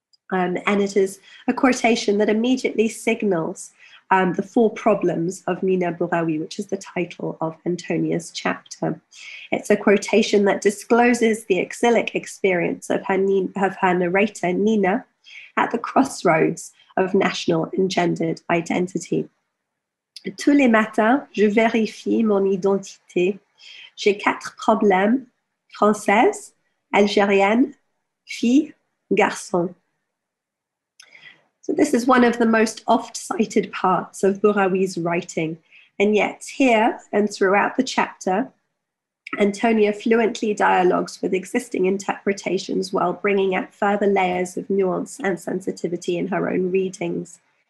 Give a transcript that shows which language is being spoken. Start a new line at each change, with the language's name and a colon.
English: And it is a quotation that immediately signals the four problems of Nina Bourraoui, which is the title of Antonia's chapter. It's a quotation that discloses the exilic experience of her narrator, Nina, at the crossroads of national and gendered identity.
French: Tous les matins, je vérifie mon identité. J'ai quatre problèmes, française, algérienne, fille, garçon.
English: So this is one of the most oft-cited parts of Bourraoui's writing. And yet here and throughout the chapter, Antonia fluently dialogues with existing interpretations while bringing up further layers of nuance and sensitivity in her own readings.